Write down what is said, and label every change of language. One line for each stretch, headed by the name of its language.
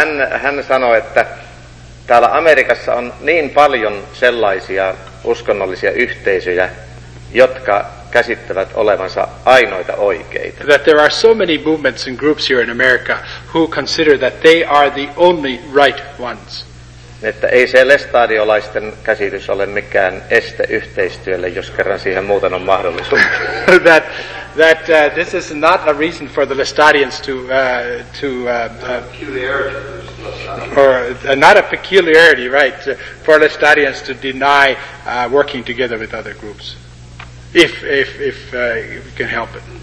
Finnish: Hän sanoi, että täällä Amerikassa on niin paljon sellaisia uskonnollisia yhteisöjä, jotka käsittävät olevansa ainoita oikeita.
English: That there are so many movements and groups here in America who consider that they are the only right ones.
Finnish: Että ei se lestadiolaisten käsitys ole mikään este yhteistyölle, jos kerran siihen muuten on mahdollisuus.
English: that this is not a reason for the Lestadians not a peculiarity, right, for Lestadians to deny working together with other groups, if we can help it.